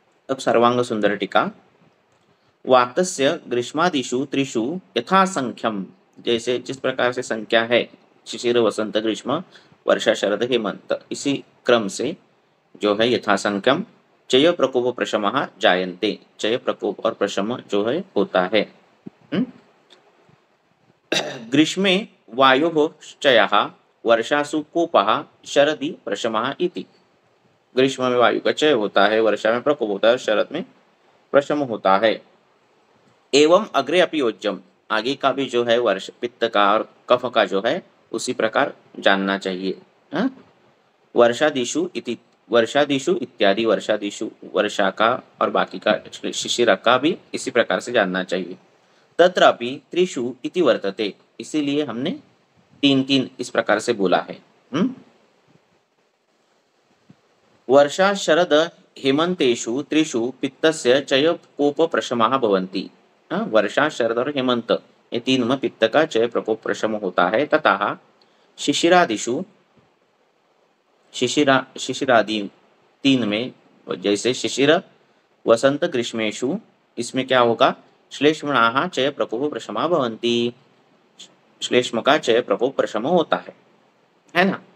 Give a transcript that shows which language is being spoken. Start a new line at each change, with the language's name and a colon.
Hindi: अब सर्वांग सुंदर टीका।
Sanskrit: वातस्य ग्रीष्मादिषु त्रिषु यथा संख्यम,
Hindi: जैसे जिस प्रकार से संख्या है, शिशिर वसंत ग्रीष्म वर्षा शरद हेमंत, इसी क्रम से जो है यथा संख्यम
Sanskrit: चय प्रकोप प्रशमः जायन्ते,
Hindi: चय प्रकोप और प्रशम जो है होता है।
Sanskrit: ग्रीष्मे वायोः चयः वर्षासु कोपः शरदि प्रशमः इति।
Hindi: ग्रीष्म में वायु का चय होता है, वर्षा में प्रकोप होता है, शरद में प्रशम होता है।
Sanskrit: एवं अग्रे अपि योज्यम्,
Hindi: आगे का भी जो है वर्ष पित्त का और कफ का जो है उसी प्रकार जानना चाहिए। वर्षादिषु इति, वर्षादिषु इत्यादि, वर्षादिषु वर्षा का और बाकी का शिशिर का भी इसी प्रकार से जानना चाहिए।
Sanskrit: तत्रापि त्रिषु इति वर्तते,
Hindi: इसीलिए हमने तीन तीन इस प्रकार से बोला है।
Sanskrit: वर्षा शरद हेमंतेषु त्रिषु पित्तस्य चय कोप प्रशमः भवन्ति।
Hindi: वर्षा शरद और हेमंत ये तीन में पित्त का चय प्रकोप प्रशम होता है। तथा शिशिरादिषु, शिशिरा शिशिरादि तीन में, जैसे शिशिर वसंत ग्रीष्मेषु, इसमें क्या होगा,
Sanskrit: श्लेष्मणाः चय प्रकोप प्रशमा भवन्ति,
Hindi: श्लेष्म का चय प्रकोप प्रशम होता है ना।